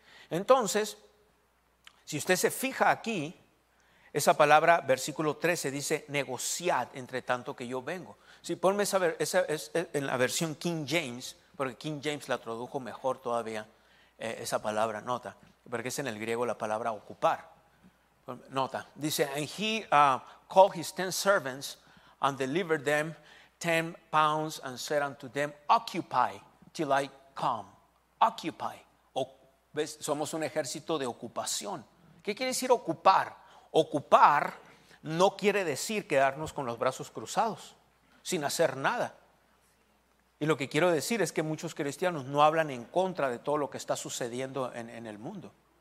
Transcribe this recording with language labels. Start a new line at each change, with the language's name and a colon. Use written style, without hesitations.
Spanish: Entonces, si usted se fija aquí, esa palabra, versículo 13, dice: negociad entre tanto que yo vengo. Sí, ponme esa, esa es en la versión King James, porque King James la tradujo mejor todavía, esa palabra, nota, porque es en el griego la palabra ocupar.
English: Nota, dice: and he called his 10 servants and delivered them 10 pounds and said unto them, occupy till I come.
Spanish: Occupy. ¿Ves? Somos un ejército de ocupación. ¿Qué quiere decir ocupar? Ocupar no quiere decir quedarnos con los brazos cruzados sin hacer nada. Y lo que quiero decir es que muchos cristianos no hablan en contra de todo lo que está sucediendo en el mundo.